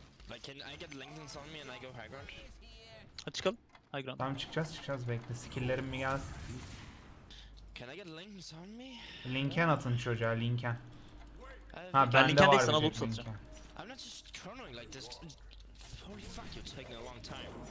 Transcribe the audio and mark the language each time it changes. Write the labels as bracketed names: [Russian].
[English] Like, can I get Langdon's on me and I go high ground? [Turkish] Hadi çıkalım. [English] High ground. [Turkish] Tamam, çıkacağız, çıkacağız. Bekle, skill'lerim mi gelsin? [English] Can I get Langdon's on me? [Turkish] Linken atın çocuğa, Linken. Ha, ben Linken değil, sana loot satacağım. [English] I'm not just chronoing like this. Holy fuck, you're taking a long time.